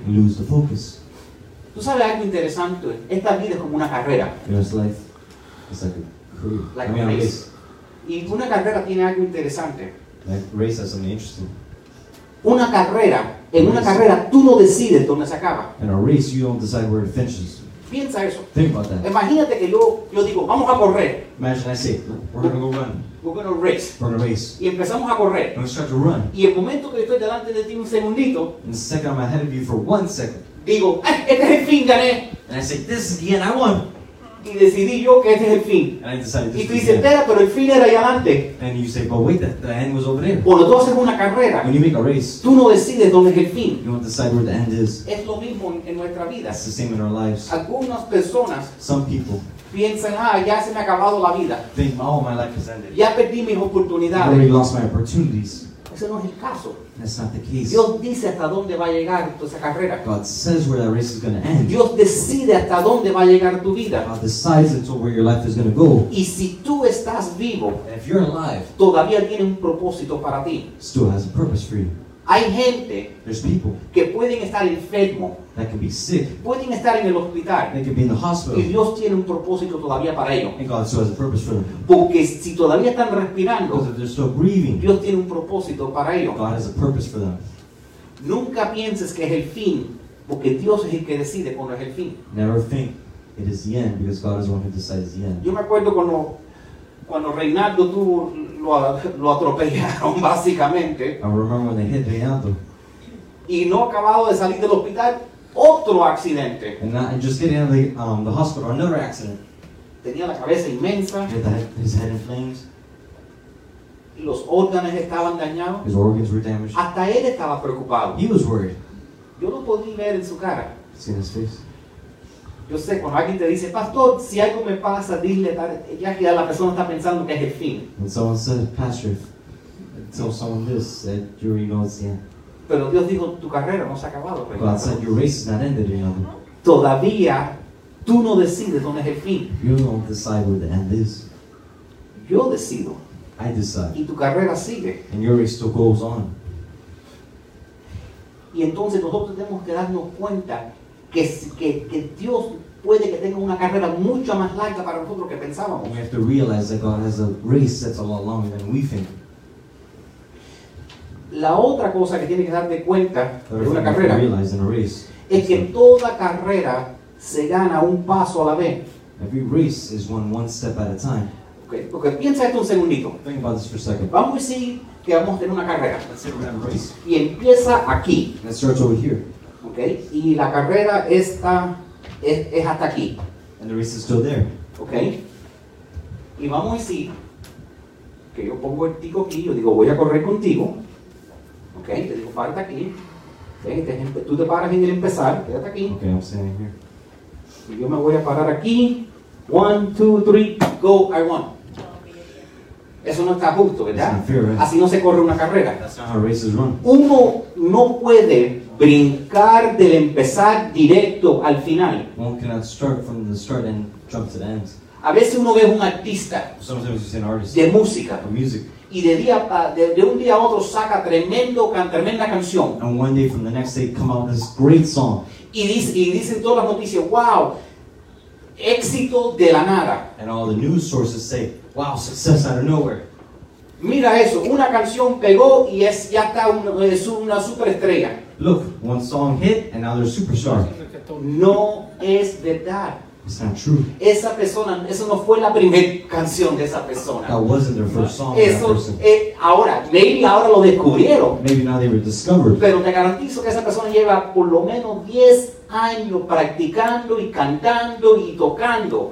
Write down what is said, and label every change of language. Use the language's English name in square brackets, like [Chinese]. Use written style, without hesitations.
[English] And lose the focus. [Spanish] Tú sabes algo interesante. Esta vida es como una carrera. [English] You know, it's life. It's like a career. Like a race. [Spanish] Y una carrera tiene algo interesante. [English] Like race has something interesting. [Spanish] Una carrera. En race. Una carrera tú no decides dónde se acaba. [English] In a race you don't decide where it finishes. [Spanish] Piensa eso. [English] Think about that. [Spanish] Imagínate que yo digo, vamos a correr. [English] Imagine I say, we're going to go run. We're going to race. We're going to race. [Spanish] Y empezamos a correr. [English] And we start to run. [Spanish] Y el momento que estoy delante de ti un segundito. [English] And the second I'm ahead of you for 1 second. [Spanish] Digo, este es el fin, gané. [English] And I say, this is the end, I won. [Spanish] Y decidí yo que este es el fin. [English] And I decided this [Spanish] y tú dices, espera, pero el fin era allá adelante. [English] And you say, but wait, the end was over there. [Spanish] Cuando tú haces una carrera. [English] When you make a race. [Spanish] Tú no decides dónde es el fin. [English] You don't decide where the end is. [Spanish] Es lo mismo en nuestra vida. [English] It's the same in our lives. [Spanish] Algunas personas. [English] Some people. [Spanish] Piensan, ah, ya se me ha acabado la vida. [English] Think, oh, my life has ended. [Spanish] Ya perdí mis oportunidades. [English] I already lost my opportunities. [Spanish] Ese no es el caso. [English] That's not the case. [Spanish] Dios dice hasta dónde va a llegar esa carrera. [English] God says where that race is going to end. [Spanish] Dios decide hasta dónde va a llegar tu vida. [English] God decides until where your life is going to go. [Spanish] Y si tú estás vivo, [English] if you're alive, [Spanish] todavía tiene un propósito para ti. [English] Still has a purpose for you. [Spanish] Hay gente, [English] there's people, [Spanish] que pueden estar enfermo, [English] that can be sick, [Spanish] pueden estar en el hospital, [English] they can be in the hospital, [Spanish] y Dios tiene un propósito todavía para ellos. [English] And God still has a purpose for them. [Spanish] Porque si todavía están respirando, [English] because if they're still breathing, [Spanish] Dios tiene un propósito para ellos. [English] God has a purpose for them. [Spanish] Nunca pienses que es el fin, porque Dios es el que decide cuándo es el fin. [English] Never think it is the end, because God is the one who decides the end. [Spanish] Yo me acuerdo cuando cuando Reinaldo tuvo lo atropellaron básicamente. [English] I remember when they hit Reinaldo. [Spanish] Y no acabado de salir del hospital, otro accidente. [English] And just getting out of the hospital, another accident. [Spanish] Tenía la cabeza inmensa. [English] He had his head in flames. [Spanish] Los órganos estaban dañados. [English] His organs were damaged. [Spanish] Hasta él estaba preocupado. [English] He was worried. [Spanish] Yo lo podía ver en su cara. [English] See his face. [Spanish] Yo sé, cuando alguien te dice, pastor, si algo me pasa, dile tal, ya que la persona está pensando que es el fin. [English] And someone said, pastor, if tell someone this, that you already know it's the end. [Spanish] Pero Dios dijo, tu carrera no se ha acabado. [English] God said, your race is not ended, you know. [Spanish] Todavía, tú no decides dónde es el fin. [English] You don't decide where the end is. [Spanish] Yo decido. [English] I decide. [Spanish] Y tu carrera sigue. [English] And your race still goes on. [Spanish] Y entonces nosotros tenemos que darnos cuenta que Dios puede que tenga una carrera mucho más larga para nosotros que pensábamos. [English] We have to realize that God has a race that's a lot longer than we think. [Spanish] La otra cosa que tiene que darte cuenta de una carrera [English] realize in a race, [Spanish] es que toda carrera se gana un paso a la vez. [English] Every race is won one step at a time. [Spanish] Okay, piensa esto un segundito. [English] Think about this for a second. [Spanish] Vamos a decir que vamos a tener una carrera. [English] Let's say we're gonna race. [Spanish] Y empieza aquí. [English] Let's start over here. [Spanish] Okay. Y la carrera está es hasta aquí. [English] And the race is still there. Okay. [Spanish] Y vamos a decir que yo pongo el tico aquí, yo digo voy a correr contigo. Okay. Te digo falta aquí. Okay. Tú te paras en el empezar. Quédate aquí. [English] Okay. I'm standing here. [Spanish] Y yo me voy a parar aquí. 1, 2, 3, [English] go. I won. [Spanish] Eso no está justo, ¿verdad? [English] Unfair, right? [Spanish] Así no se corre una carrera. [English] That's not how races run. [Spanish] Uno no puede brincar del empezar directo al final. [English] One cannot start from the start and jump to the end. [Spanish] A veces uno ve un artista. [English] Sometimes you see an artist. [Spanish] De música. [English] Of music. [Spanish] Y de un día a otro saca tremenda canción. [English] And one day from the next day come out this great song. [Spanish] Y dicen todas las noticias, wow, éxito de la nada. [English] And all the news sources say, wow, success out of nowhere. [Spanish] Mira eso, una canción pegó y ya está una superestrella. [English] Look, one song hit and now they're a superstar. [Spanish] No es verdad. [English] It's not true. [Spanish] Esa persona, eso no fue la primera canción de esa persona. [English] That wasn't their first song. [Spanish] Eso, ahora, maybe ahora lo descubrieron. [English] Maybe now they were discovered. [Spanish] Pero te garantizo que esa persona lleva por lo menos 10 años practicando y cantando y tocando.